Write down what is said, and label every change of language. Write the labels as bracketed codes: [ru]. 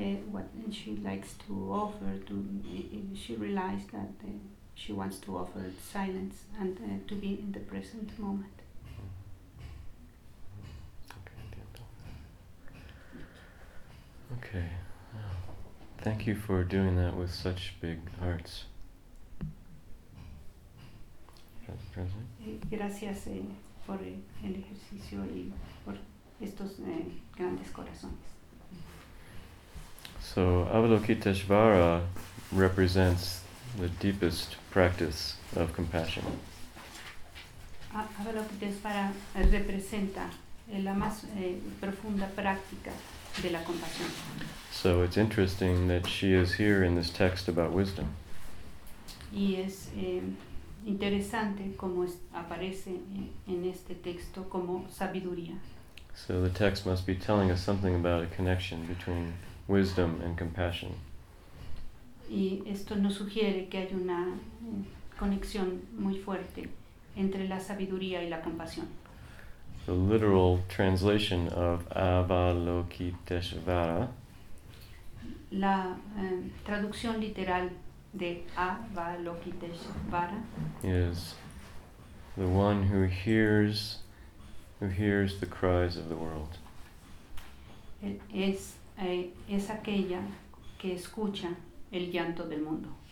[en] What she likes to offer, to she realized that she wants to offer silence and to be in the present moment. Okay, thank you for doing that with such big hearts. Present. [es] Gracias por el ejercicio y por estos grandes corazones. [en] So Avalokiteshvara represents the deepest practice of compassion. [es] Avalokiteshvara representa la más profunda práctica de la compasión. [en] So it's interesting that she is here in this text about wisdom. [es] Y es interesante cómo aparece en este texto como sabiduría. [en] So the text must be telling us something about a connection between wisdom and compassion. [es] y esto nos sugiere que hay una conexión muy fuerte entre la sabiduría y la compasión. [en] The literal translation of Avalokiteshvara. [es] La traducción literal de Avalokiteshvara [en] is the one who hears the cries of the world. [es] Es aquella que escucha el llanto del mundo.